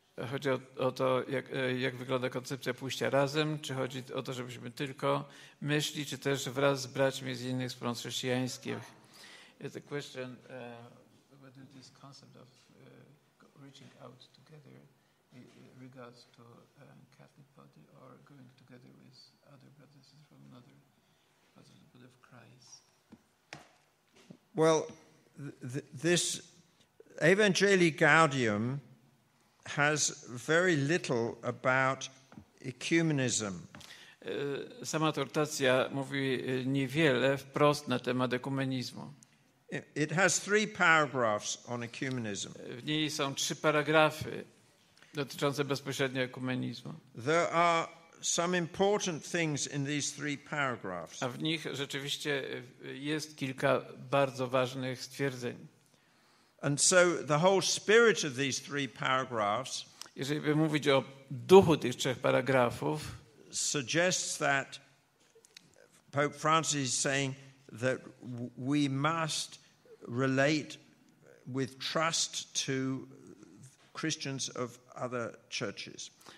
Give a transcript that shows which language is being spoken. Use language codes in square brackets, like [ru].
[pl] Chodzi o to, jak wygląda koncepcja pójścia razem, czy chodzi o to, żebyśmy tylko myśli, czy też wraz z braćmi z innych wspólnot chrześcijańskich. [en] It's a question whether this concept of reaching out together regards to a Catholic body or going together with other brothers from another part of the body of Christ. Well, this Evangelii Gaudium has very little about ecumenism. [pl] Sama tortacja mówi niewiele wprost na temat ekumenizmu. [en] It has three paragraphs on ecumenism. [pl] W niej są trzy paragrafy. dotyczące bezpośrednio ekumenizmu. [en] There are some important things in these three paragraphs. [pl] A w nich rzeczywiście jest kilka bardzo ważnych stwierdzeń. [en] And so the whole spirit of these three paragraphs, [pl] jeżeli by mówić o duchu tych trzech paragrafów, [en] suggests that Pope Francis is saying that we must relate with trust to Christians of other churches.